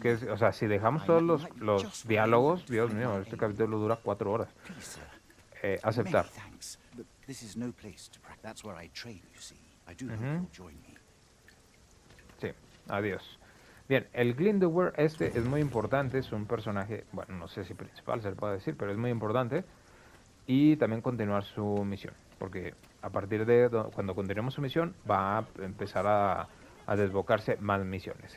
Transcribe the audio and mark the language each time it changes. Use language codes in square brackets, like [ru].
[es] O sea, si dejamos todos los diálogos, Dios mío, este capítulo dura 4 horas. Aceptar. [en] This is no place to practice. That's where I train, you see. I do hope you'll join me. [es] Sí, adiós. Bien, el Glyndwr este es muy importante, es un personaje, bueno, no sé si principal se le puede decir, pero es muy importante. Y también continuar su misión, porque a partir de cuando continuemos su misión, va a empezar a desbocarse más misiones.